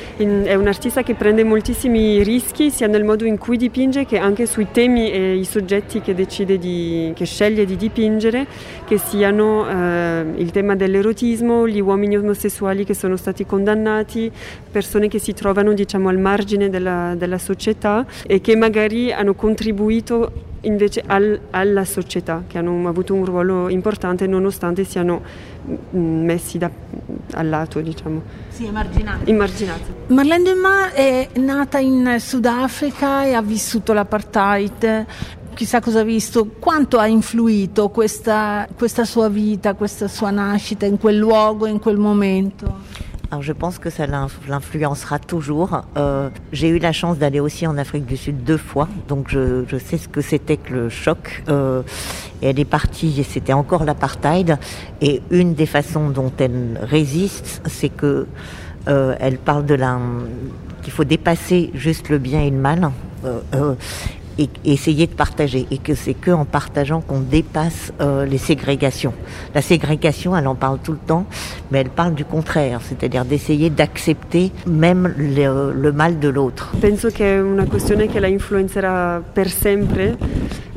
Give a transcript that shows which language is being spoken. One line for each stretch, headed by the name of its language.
Italian: È un artista che prende moltissimi rischi sia nel modo in cui dipinge che anche sui temi e i soggetti che sceglie di dipingere, che siano il tema dell'erotismo, gli uomini omosessuali che sono stati condannati, persone che si trovano diciamo al margine della società e che magari hanno contribuito invece alla società, che hanno avuto un ruolo importante nonostante siano messi al lato, diciamo. Sì, emarginati. Immarginati. Marlène Dumas è nata in Sudafrica e ha vissuto l'apartheid. Chissà cosa ha visto. Quanto ha influito questa sua vita, questa sua nascita in quel luogo, in quel momento?
French: Alors je pense que ça l'influencera toujours. J'ai eu la chance d'aller aussi en Afrique du Sud deux fois, donc je sais ce que c'était que le choc. Et elle est partie, et c'était encore l'apartheid. Et une des façons dont elle résiste, c'est que elle parle de qu'il faut dépasser juste le bien et le mal, et essayer de partager, et que c'est que en partageant qu'on dépasse les ségrégations. La ségrégation, elle en parle tout le temps, mais elle parle du contraire, c'est-à-dire d'essayer d'accepter même le mal de l'autre.
Italian: Penso che è una questione che la influenzerà per sempre.